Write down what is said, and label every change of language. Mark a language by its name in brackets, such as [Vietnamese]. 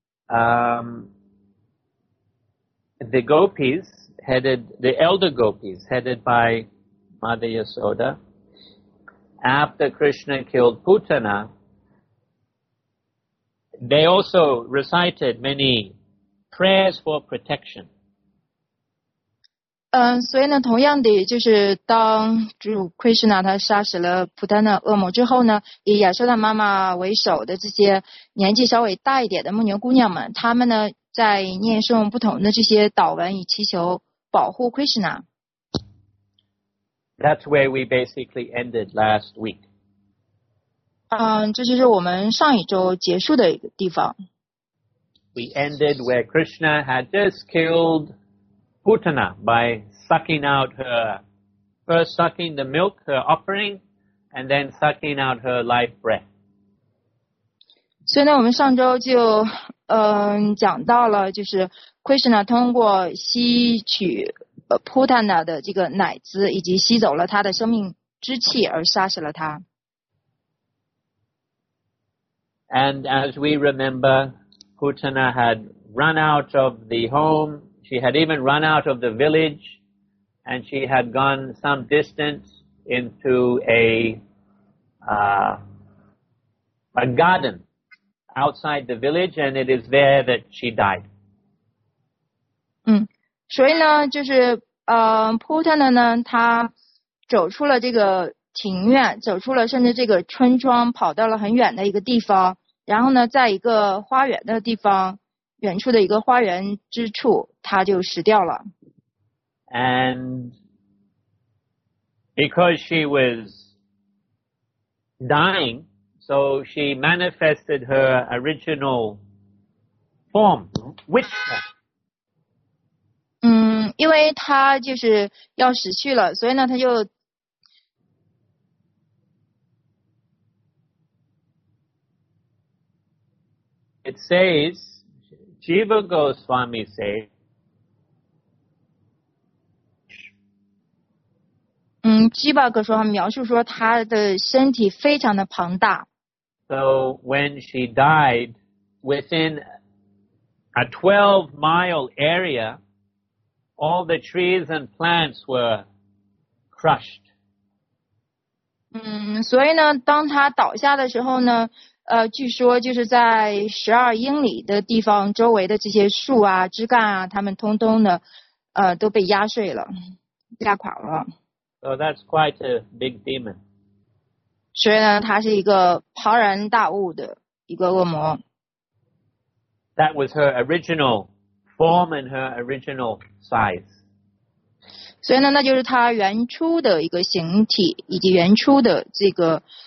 [English] The gopis headed, the elder gopis headed by Mother Yasoda, after Krishna killed Putana, they also recited many prayers for protection. [Chinese] 所以呢，同样的，就是当主 Krishna 他杀死了普丹的恶魔之后呢，以亚瑟的妈妈为首的这些年纪稍微大一点的牧牛姑娘们，她们呢在念诵不同的这些祷文，以祈求保护 Krishna。 [English] That's where we basically ended last week. [Chinese] 这就是我们上一周结束的一个地方。 [English] We ended where Krishna had just killed. Putana by sucking out her, first sucking the milk, her offering, and then sucking out her life breath. [Chinese] 所以呢，我们上周就讲到了，就是 Krishna 通过吸取Putana 的这个奶汁，以及吸走了他的生命之气，而杀死了他。 [English] And as we remember, Putana had run out of the home. She had even run out of the village, and she had gone some distance into a garden outside the village, and it is there that she died. [Chinese] 所以呢，就是Putana 呢，她走出了这个庭院，走出了甚至这个村庄，跑到了很远的一个地方，然后呢，在一个花园的地方。远处的一个花园之处，他就死掉了。 [English] And because she was dying, so she manifested her original form, witchcraft. [Chinese] 因为他就是要死去了，所以呢，他就 [English] It says. Jiva Goswami said, [Chinese] Jiva Goswami 描述说她的身体非常的庞大。 [English] So when she died, within a 12-mile area, all the trees and plants were crushed. [Chinese] 所以呢，当她倒下的时候呢，据说就是在12英里的地方，周围的这些树啊、枝干啊，它们通通的，都被压碎了，压垮了。 [English] So that's quite a big demon. [Chinese] 所以呢，它是一个庞然大物的一个恶魔。 [English] That was her original form and her original size. [Chinese] 所以呢，那就是它原初的一个形体以及原初的这个。